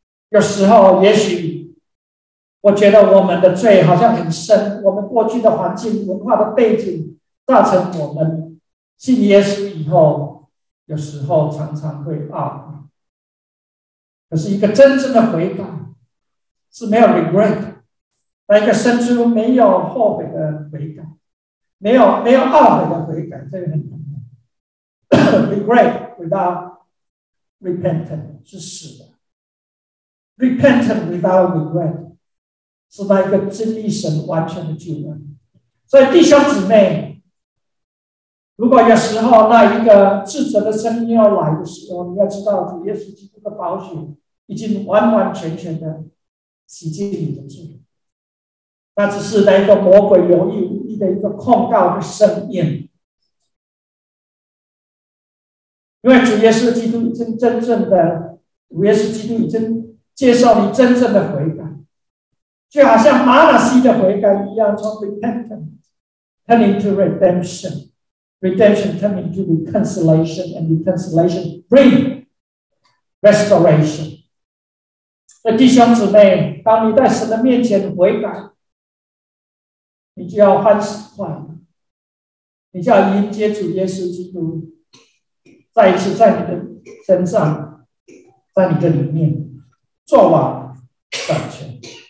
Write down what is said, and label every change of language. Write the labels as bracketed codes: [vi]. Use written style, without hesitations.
[zh] 有时候也许我觉得我们的罪好像很深，我们过去的环境文化的背景造成我们信耶稣以后有时候常常会懊悔。可是一个真正的悔改是没有 regret， 那一个生出没有后悔的悔改，没有懊悔的悔改，这个很难。 [en] Regret without repentance [zh] 是死的。 [en] Repentance without regret [zh] 是那一个真理神完全的救恩。所以弟兄姊妹，如果有时候那一个自责的声音要来的时候，你要知道主耶稣基督的宝血已经完完全全的洗净你的罪，那只是那一个魔鬼有意无意的一个控告的声音。因为主耶稣基督已经真正的，主耶稣基督已经接受你真正的悔改，就好像马拿西的悔改一样，从 [en] repentance turning to redemption。 Redemption turn into reconciliation, and reconciliation bring restoration. [zh] 所以弟兄姊妹，当你在神的面前悔改，你就要欢喜快乐，你就要迎接主耶稣基督再一次在你的身上，在你的里面做完掌权。